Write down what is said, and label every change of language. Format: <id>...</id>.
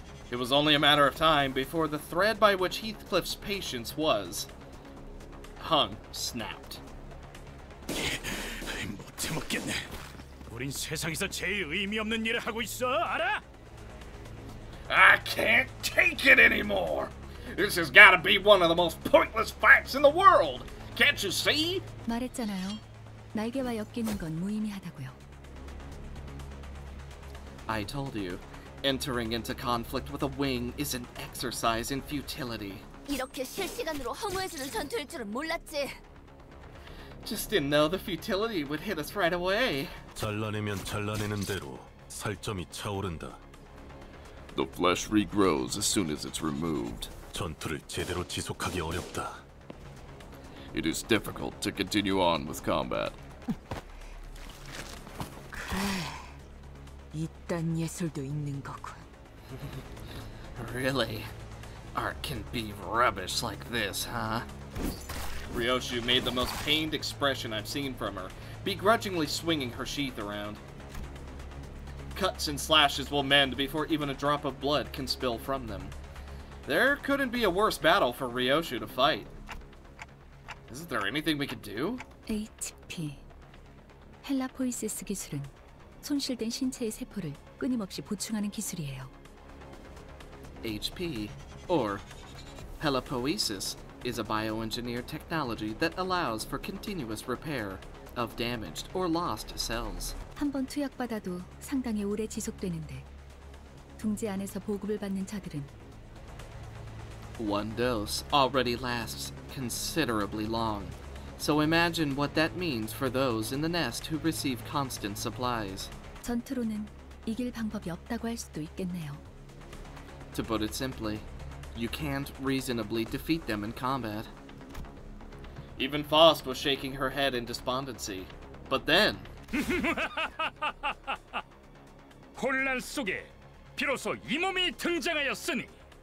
<en>It was only a matter of time before the thread by which Heathcliff's patience was hung snapped. I can't take it. We're doing the most meaningless thing in the world, right? I can't take it anymore! This has got to be one of the most pointless fights in the world! Can't you see? I told you.</en> <ko>날개와 엮이는 건 무의미하다고요.</ko> <en>I told you, entering into conflict with a wing is an exercise in futility.</en> <ko>이렇게 실시간으로 허무해지는 전투일 줄은 몰랐지.</ko> <en>Just didn't know the futility would hit us right away.</en> <ko>잘라내면 잘라내는 대로 살점이 차오른다.</ko> <en>The flesh regrows as soon as it's removed.</en> <ko>전투를 제대로 지속하기 어렵다.</ko> <en>It is difficult to continue on with combat.</en> <ko>그래, 이딴 예술도 있는 거군.</ko> <en>Really? Art can be rubbish like this, huh? Ryoshu made the most pained expression I've seen from her, begrudgingly swinging her sheath around. Cuts and slashes will mend before even a drop of blood can spill from them. There couldn't be a worse battle for Ryoshu to fight. Isn't there anything we could do? HP.</en> <ko>헬라포이시스 기술은 손실된 신체의 세포를 끊임없이 보충하는 기술이에요.</ko> <en>HP, or helipoiesis, is a bioengineered technology that allows for continuous repair of damaged or lost cells.</en> <ko>한번 투약받아도 상당히 오래 지속되는데 둥지 안에서 보급을 받는 자들은</ko> <en>One dose already lasts considerably long, so imagine what that means for those in the nest who receive constant supplies.</en> <ko>전투로는 이길 방법이 없다고 할 수도 있겠네요.</ko> <en>To put it simply, you can't reasonably defeat them in combat. Even Faust was shaking her head in despondency, but then...</en> <ko>혼란 속에 비로소 이 몸이 등장하였으니!</ko>